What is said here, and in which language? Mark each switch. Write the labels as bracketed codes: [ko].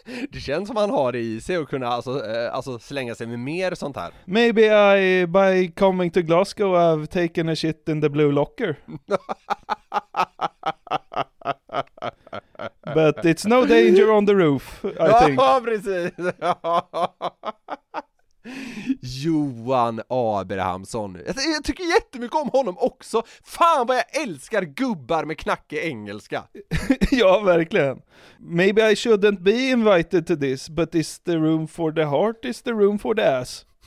[sv] Det känns som han har det i sig att kunna alltså slänga sig med mer sånt här. [en] Maybe I, by coming to Glasgow, I've taken a shit in the blue locker. But it's no danger on the roof, I think. [sv] Ja, precis. Johan Abrahamsson. Jag tycker jättemycket om honom också. Fan vad jag älskar gubbar med knacke engelska. Ja, verkligen. [en] Maybe I shouldn't be invited to this, but is the room for the heart, is the room for the ass.